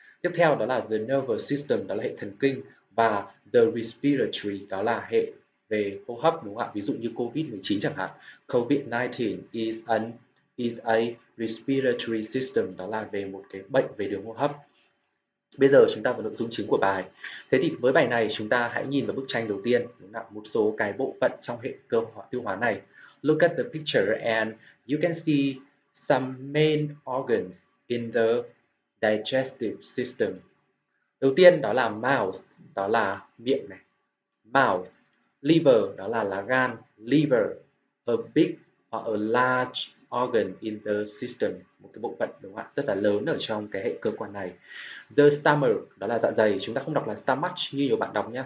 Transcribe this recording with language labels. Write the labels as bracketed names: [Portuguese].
[Vietnamese] Tiếp theo đó là the nervous system, đó là hệ thần kinh, và the respiratory, đó là hệ về hô hấp, đúng không ạ? Ví dụ như COVID-19 chẳng hạn. [English] COVID-19 is a respiratory system, [Vietnamese] đó là về một cái bệnh về đường hô hấp. Bây giờ chúng ta vào nội dung chính của bài. Thế thì với bài này chúng ta hãy nhìn vào bức tranh đầu tiên, đúng không? Một số cái bộ phận trong hệ cơ hóa tiêu hóa này. [English] Look at the picture and you can see some main organs in the digestive system. [Vietnamese] Đầu tiên đó là mouth, đó là miệng này. Mouth, liver, đó là lá gan. [English] Liver, a big or a large organ in the system, [Vietnamese] một cái bộ phận, đúng không ạ, rất là lớn ở trong cái hệ cơ quan này. The stomach, đó là dạ dày, chúng ta không đọc là stomach như nhiều bạn đọc nhé.